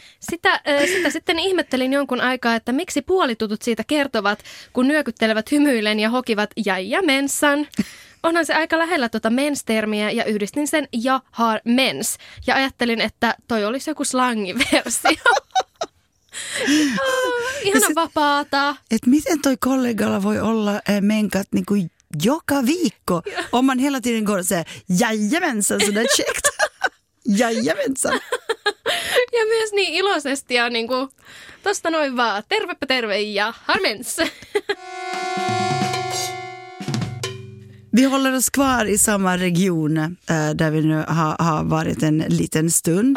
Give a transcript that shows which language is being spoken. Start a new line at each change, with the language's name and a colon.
Finnish: Sitä sitten ihmettelin jonkun aikaa, että miksi puolitutut siitä kertovat, kun nyökyttelevät hymyillen ja hokivat Jaija Mensan. Onhan se aika lähellä tuota mens-termiä ja yhdistin sen ja
Swedish: har mens.
Finnish: Ja ajattelin, että toi olisi joku slangiversio. Ihan vapaata. Et miten toi kollegalla voi olla menkat niinku joka viikko,
Swedish: om man hela tiden går och säger jajamensan, så det är käckt. Jajamensan.
Finnish: Ja myös niin iloisesti ja niinku, tosta noin vaan, tervepä terve ja harmens.
Swedish: Vi håller oss kvar i samma region där vi nu har varit en liten stund.